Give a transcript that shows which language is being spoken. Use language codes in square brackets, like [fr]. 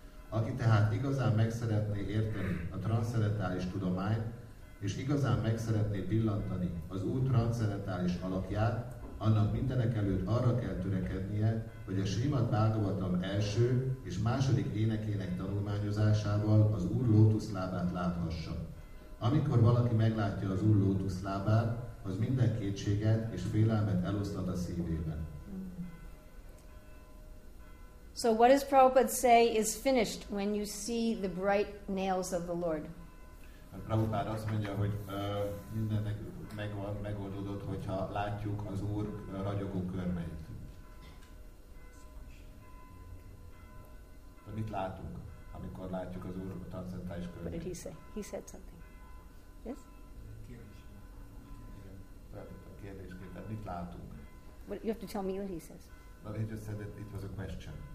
[hu] Aki tehát igazán meg szeretné érteni a transzcendentális tudományt, és igazán meg szeretné pillantani az Úr transzcendentális alakját, annak mindenek előtt arra kell törekednie, hogy a Srimad Bhagavatam első és második énekének tanulmányozásával az Úr lótuszlábát láthassa. Amikor valaki meglátja az Úr lótuszlábát, az minden kétséget és félelmet elosztad a szívében. [en] So what does Prabhupada say is finished when you see the bright nails of the Lord? [hu] Prabhupada azt mondja, hogy mindennek megvan, megoldódott, hogyha látjuk az Úr ragyogó körmeit. De mit látunk, amikor látjuk az Úr transzcendentális körmeit? [en] What did he say? He said something. Yes? [hu] A kérdésként, tehát mit látunk? [en] But you have to tell me what he says. But he just said that it was a question.